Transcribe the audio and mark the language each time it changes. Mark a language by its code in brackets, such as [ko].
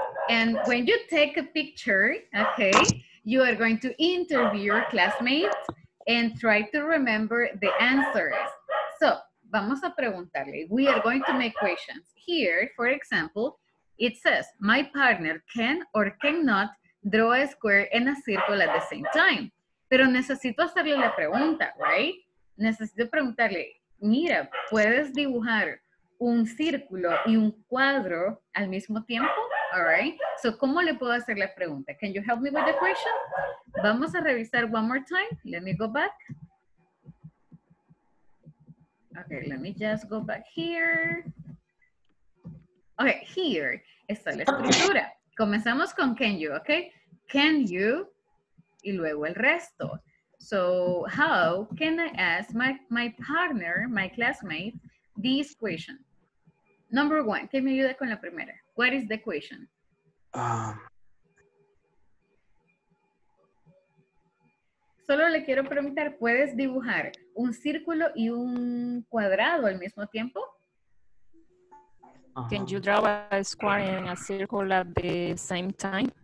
[en] And when you take a picture, okay, you are going to interview your classmate and try to remember the answers. So, [es] vamos a preguntarle. [en] We are going to make questions. Here, for example, it says, my partner can or cannot draw a square and a circle at the same time. [es] Pero necesito hacerle la pregunta, right? Necesito preguntarle, mira, ¿puedes dibujar un círculo y un cuadro al mismo tiempo? [en] All right? So, [es] ¿cómo le puedo hacer la pregunta? [en] Can you help me with the question? [es] Vamos a revisar [en] one more time. Let me go back. Okay, let me just go back here. Okay, here [es] está la estructura. Comenzamos con can you, okay? Can you, y luego el resto. [en] So, how can I ask my partner, my classmate, this question? Number one, [es] ¿quién me ayuda con la primera? [en] What is the question? [es] Solo le quiero preguntar, ¿puedes dibujar un círculo y un cuadrado al mismo tiempo? Uh-huh. [en] Can you draw a square and a circle at the same time?